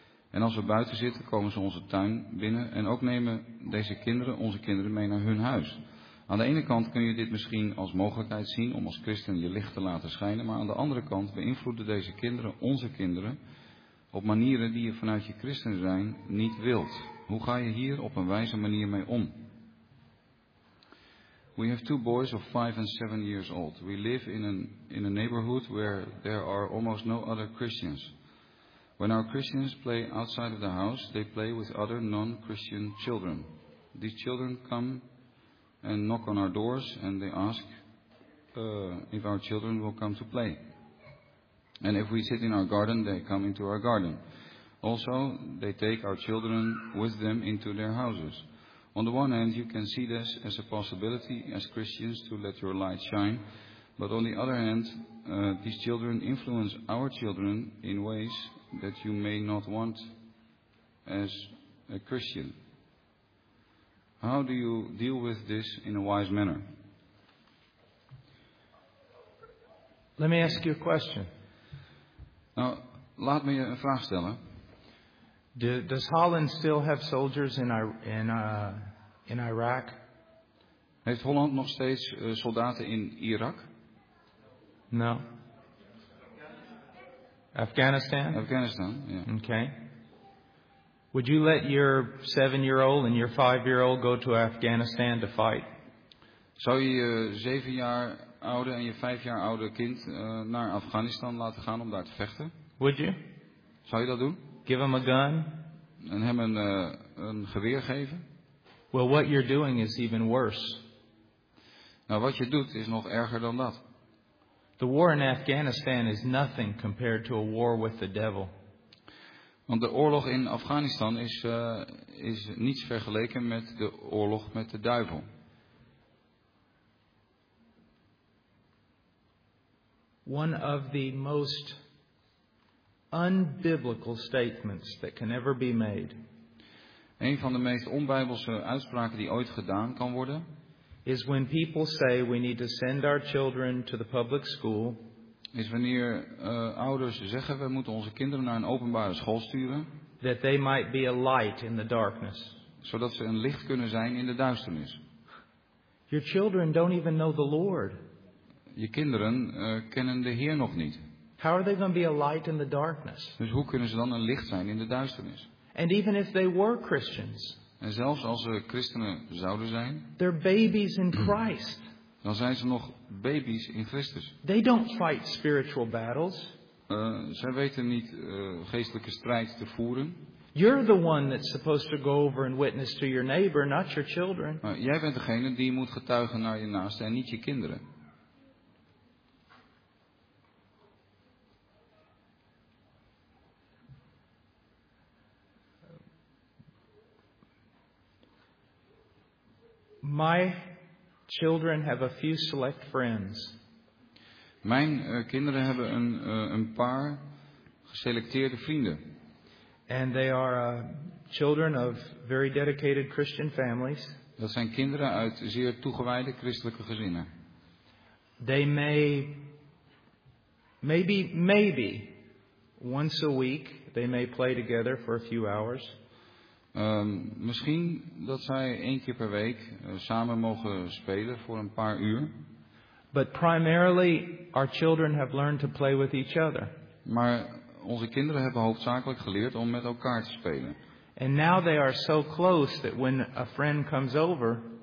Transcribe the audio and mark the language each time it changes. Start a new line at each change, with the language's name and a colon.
Dutch: En als we buiten zitten, komen ze onze tuin binnen en ook nemen deze kinderen onze kinderen mee naar hun huis. Aan de ene kant kun je dit misschien als mogelijkheid zien om als christen je licht te laten schijnen, maar aan de andere kant beïnvloeden deze kinderen onze kinderen op manieren die je vanuit je christen zijn niet wilt. Hoe ga je hier op een wijze manier mee om?
English: We have 2 boys of 5 and 7 years old. We live in a neighborhood where there are almost no other Christians. When our Christians play outside of the house, they play with other non-Christian children. These children come and knock on our doors and they ask if our children will come to play. And if we sit in our garden, they come into our garden. Also, they take our children with them into their houses. On the one hand, you can see this as a possibility as Christians to let your light shine. But on the other hand, these children influence our children in ways that you may not want as a Christian. How do you deal with this in a wise manner? Let me ask you a question.
Dutch: Nou, laat me je een vraag stellen.
English: Does Holland still have soldiers in Iraq?
Dutch: Heeft Holland nog steeds soldaten in Irak?
English: No. Afghanistan?
Dutch: Afghanistan, ja.
English: Yeah. Okay. Would you let your 7-year-old and your 5-year-old go to Afghanistan to fight?
Dutch: Zou je je 7-jaar oude en je 5-jaar oude kind naar Afghanistan laten gaan om daar te vechten?
English: Would you?
Dutch: Zou je dat doen?
English: Give him a gun?
Dutch: En hem een geweer geven?
English: Well, what you're doing is even worse.
Dutch: Nou, wat je doet is nog erger dan dat.
English: The war in Afghanistan is nothing compared to a war with the devil.
Dutch: Want de oorlog in Afghanistan is niets vergeleken met de oorlog met de duivel.
English: One of the most unbiblical statements that can ever be made.
Dutch: Een van de meest onbijbelse uitspraken die ooit gedaan kan worden.
English: Is when people say we need to send our children to the public school.
Dutch: Is wanneer ouders zeggen we moeten onze kinderen naar een openbare school sturen.
English: That they might be a light in the darkness.
Dutch: Zodat ze een licht kunnen zijn in de duisternis.
English: Your children don't even know the Lord.
Dutch: Je kinderen kennen de Heer nog niet.
English: How are they going to be a light in the darkness?
Dutch: Dus hoe kunnen ze dan een licht zijn in de duisternis?
English: And even if they were Christians.
Dutch: En zelfs als ze christenen zouden zijn.
English: They're babies in Christ.
Dutch: Dan zijn ze nog baby's in Christus.
English: They don't fight spiritual battles.
Dutch: Zij weten niet geestelijke strijd te voeren.
English: You're the one that's supposed to go over and witness to your neighbor, not your children.
Dutch: Jij bent degene die moet getuigen naar je naaste en niet je kinderen.
English: My children have a few select friends.
Dutch: Mijn kinderen hebben een paar geselecteerde vrienden.
English: And they are children of very dedicated Christian families.
Dutch: Dat zijn kinderen uit zeer toegewijde christelijke gezinnen.
English: They may maybe once a week they may play together for a few hours.
Dutch: Misschien dat zij één keer per week samen mogen spelen voor een paar uur.
English: But primarily our children have learned to play with each other.
Dutch: Maar onze kinderen hebben hoofdzakelijk geleerd om met elkaar te spelen.
English: And now they are so close that when a friend comes over.